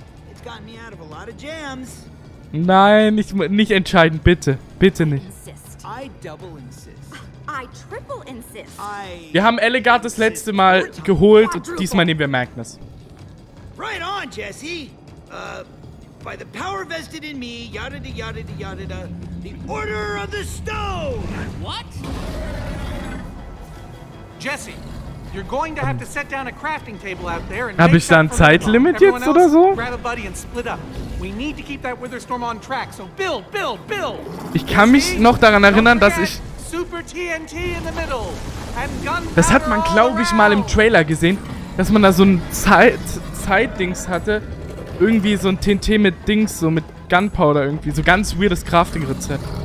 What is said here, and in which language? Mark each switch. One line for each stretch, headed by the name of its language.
English: It's gotten me out of a lot of jams.
German: Nein, nicht entscheiden, bitte. Bitte nicht.
English: I double insist. I triple insist.
German: Wir haben Elegard das letzte Mal geholt und diesmal nehmen wir Magnus.
English: Right on, Jesse. By the power vested in me, yada da yada da yada da, the Order of the Stone! What? Jesse, you're going to have to set down a crafting table out there and
German: Habe ich da ein Zeitlimit jetzt oder so?
English: Grab a buddy and split up. We need to keep that Witherstorm on track. So build.
German: Ich kann mich noch daran erinnern, dass ich
English: Super TNT in the middle.
German: Das hat man glaube ich mal im Trailer gesehen, dass man da so ein Zeitdings hatte, irgendwie so ein TNT mit Dings so mit Gunpowder irgendwie so ganz weirdes Crafting Rezept.